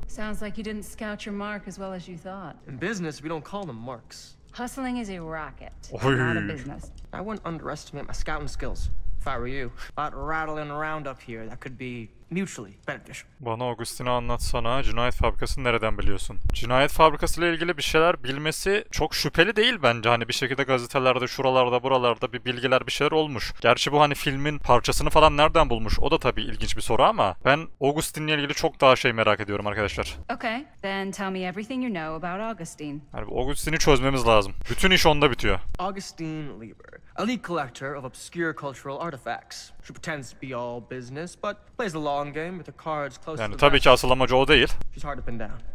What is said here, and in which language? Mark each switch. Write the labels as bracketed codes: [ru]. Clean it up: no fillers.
[en] Sounds like you didn't scout your mark as well as you thought. In business we don't call them marks. Hustling is a racket. Oy. Not a business. I wouldn't underestimate my scouting skills. If I were you, about rattling around up here, that could be mutually beneficial. [tr] Bana Augustine'i anlatsana, cinayet fabrikasını nereden biliyorsun? Cinayet fabrikasıyla ilgili bir şeyler bilmesi çok şüpheli değil bence. Hani bir şekilde gazetelerde, şuralarda, buralarda bir bilgiler, bir şeyler olmuş. Gerçi bu hani filmin parçasını falan nereden bulmuş? O da tabii ilginç bir soru ama ben Augustine'le ilgili çok daha şey merak ediyorum arkadaşlar. [en] Okay, then tell me everything you know about Augustine. [tr] Yani Augustine'i çözmemiz lazım. Bütün iş onda bitiyor. [en] Augustine Lieber. Elite collector of obscure cultural artifacts. She pretends to be all business, but plays a long game with her cards close to the [tr] vest. Yani tabii ki asıl amacı o değil. [en] She's hard to pin down.